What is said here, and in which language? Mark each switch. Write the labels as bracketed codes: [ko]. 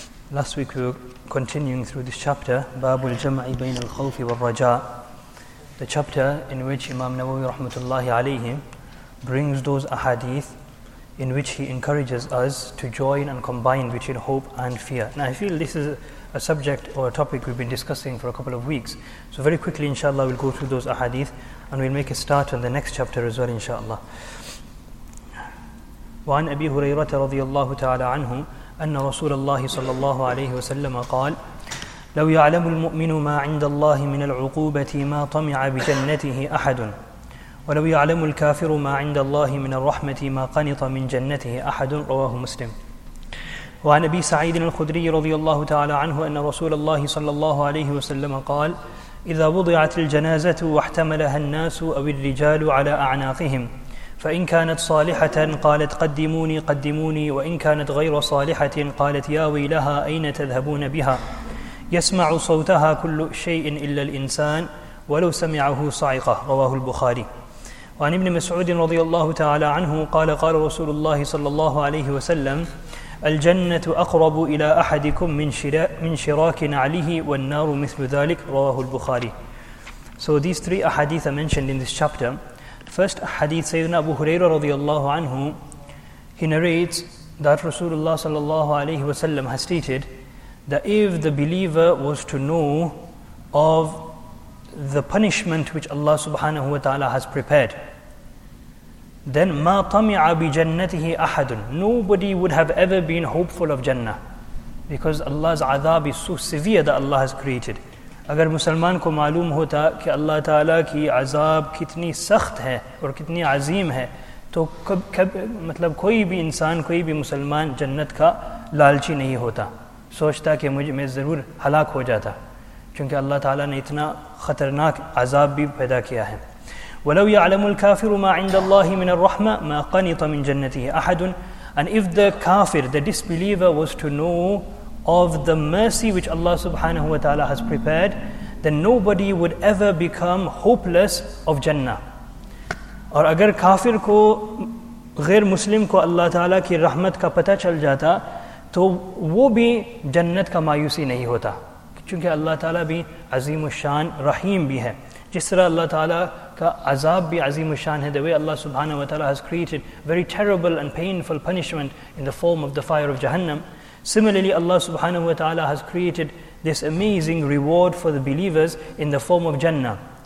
[en] Last week we were continuing through this chapter, Babul Jama'i Bain al Khawfi wa Raja, the chapter in which Imam Nawawi rahmatullahi alayhi brings those ahadith in which he encourages us to join and combine between hope and fear. Now I feel this is a subject or a topic we've been discussing for a couple of weeks. So very quickly, inshallah, we'll go through those ahadith and we'll make a start on the next chapter as well, inshallah. [ar] وعن أبي هريرة رضي الله تعالى عنه أن رسول الله صلى الله عليه وسلم قال لو يعلم المؤمن ما عند الله من العقوبة ما طمع بجنته أحد ولو يعلم الكافر ما عند الله من الرحمة ما قنط من جنته أحد رواه مسلم وعن أبي سعيد الخدري رضي الله تعالى عنه أن رسول الله صلى الله عليه وسلم قال إذا وضعت الجنازة واحتملها الناس أو الرجال على أعناقهم فإن كانت صالحة قالت قدموني قدموني وإن كانت غير صالحة قالت يا ويلها أين تذهبون بها يسمع صوتها كل شيء إلا الإنسان ولو سمعه صعقة رواه البخاري وعن ابن مسعود رضي الله تعالى عنه قال قال رسول الله صلى الله عليه وسلم الجنة أقرب إلى أحدكم من شراك نعله والنار مثل ذلك رواه البخاري [en] So these three ahadith are mentioned in this chapter. First hadith, Sayyidina Abu Hurairah radiallahu anhu, he narrates that Rasulullah sallallahu alayhi wa sallam has stated that if the believer was to know of the punishment which Allah subhanahu wa ta'ala has prepared, then [ar] ma tami'a bi jannatihi ahadun, [en] nobody would have ever been hopeful of Jannah, because Allah's azab is so severe that Allah has created. [ur] اگر مسلمان کو معلوم ہوتا کہ اللہ تعالیٰ کی عذاب کتنی سخت ہے اور کتنی عظیم ہے تو مطلب کوئی بھی انسان کوئی بھی مسلمان جنت کا لالچی نہیں ہوتا سوچتا کہ میں ضرور ہلاک ہو جاتا چونکہ اللہ تعالیٰ نے اتنا خطرناک عذاب بھی پیدا کیا ہے [ar] وَلَوْ يَعْلَمُ الْكَافِرُ مَا عِنْدَ اللَّهِ مِنَ الرَّحْمَةِ مَا قَنِطَ مِنْ جَنَّتِهِ أَحَدٌ [en] And if the kafir, the disbeliever was to know of the mercy which Allah subhanahu wa ta'ala has prepared, then nobody would ever become hopeless of Jannah. [ur] اور اگر کافر کو، غیر مسلم کو اللہ تعالیٰ کی رحمت کا پتا چل جاتا، تو وہ بھی جنت کا مایوسی نہیں ہوتا. کیونکہ اللہ تعالیٰ بھی عظیم الشان رحیم بھی ہے. Jis tarah Allah ta'ala ka azab bhi azim ushan hai, [en] the way Allah subhanahu wa ta'ala has created very terrible and painful punishment in the form of the fire of Jahannam. Similarly, Allah subhanahu wa ta'ala has created this amazing reward for the believers in the form of Jannah.